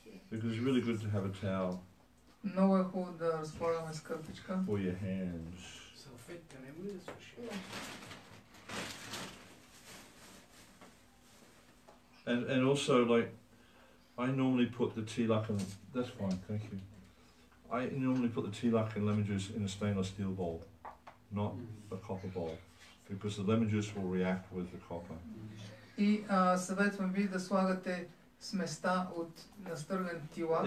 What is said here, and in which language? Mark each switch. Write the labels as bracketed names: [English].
[English] Because it's really good to have a towel. [Bulgarian] Много е хубаво да разполагаме с кърпичка. [English] For your hands. [Bulgarian] Салфетка не може да суши. [English] And also, like, I normally put the tealakan, that's fine, thank you. I normally put the tealakan lemon juice in a stainless steel bowl, not a copper bowl, because the lemon juice will react with the copper. [Bulgarian] И съветвам ви да слагате сместа от настърлен тилак.